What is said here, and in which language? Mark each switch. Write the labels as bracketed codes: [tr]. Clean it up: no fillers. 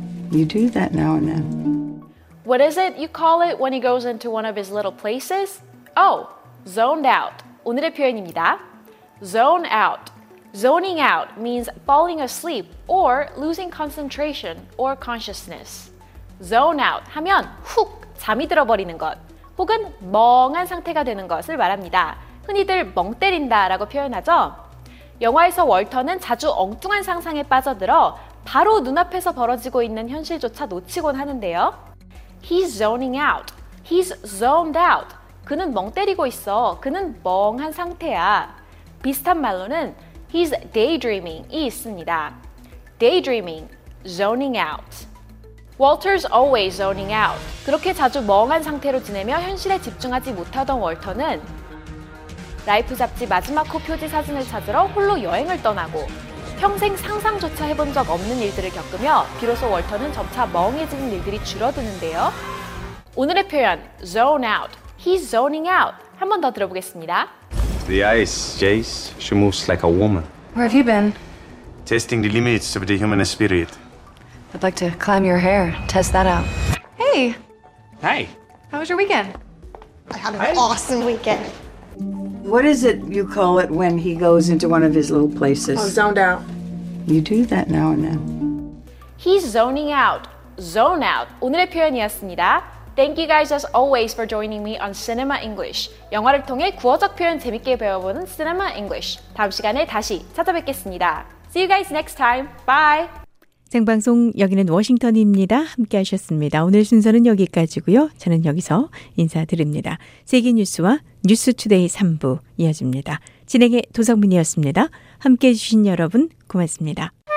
[en] You do that now and then. What is it you call it when he goes into one of his little places? Oh, zoned out. [ko] 오늘의 표현입니다. [en] Zone out. Zoning out means falling asleep or losing concentration or consciousness. [ko] Zone out 하면 훅 잠이 들어버리는 것 혹은 멍한 상태가 되는 것을 말합니다. 흔히들 멍 때린다 라고 표현하죠. 영화에서 월터는 자주 엉뚱한 상상에 빠져들어 바로 눈앞에서 벌어지고 있는 현실조차 놓치곤 하는데요. [en] He's zoning out. He's zoned out. [ko] 그는 멍 때리고 있어. 그는 멍한 상태야. 비슷한 말로는 [en] He's daydreaming [ko] 이 있습니다. [en] Daydreaming, zoning out. Walter's always zoning out. [ko] 그렇게 자주 멍한 상태로 지내며 현실에 집중하지 못하던 월터는 라이프 잡지 마지막 호 표지 사진을 찾으러 홀로 여행을 떠나고 평생 상상조차 해본 적 없는 일들을 겪으며 비로소 월터는 점차 멍해지는 일들이 줄어드는데요. 오늘의 표현, zone out. [en] He's zoning out. [ko] 한 번 더 들어보겠습니다. [en] The ice, Jace, she moves like a woman. Where have you been? Testing the limits of the human spirit. I'd like to climb your hair, test that out. Hey! Hey! How was your weekend? I had an awesome weekend. What is it you call it when he goes into one of his little places? Oh, zoned out. You do that now and then. He's zoning out. Zone out. [ko] 오늘의 표현이었습니다. [en] Thank you guys as always for joining me on Cinema English. [ko] 영화를 통해 구어적 표현 재밌게 배워보는 Cinema English. 다음 시간에 다시 찾아뵙겠습니다. [en] See you guys next time. Bye. [ko] 생방송 여기는 워싱턴입니다. 함께 하셨습니다. 오늘 순서는 여기까지고요. 저는 여기서 인사드립니다. 세계 뉴스와 뉴스 투데이 3부 이어집니다. 진행의 도성민이었습니다. 함께 해주신 여러분 고맙습니다.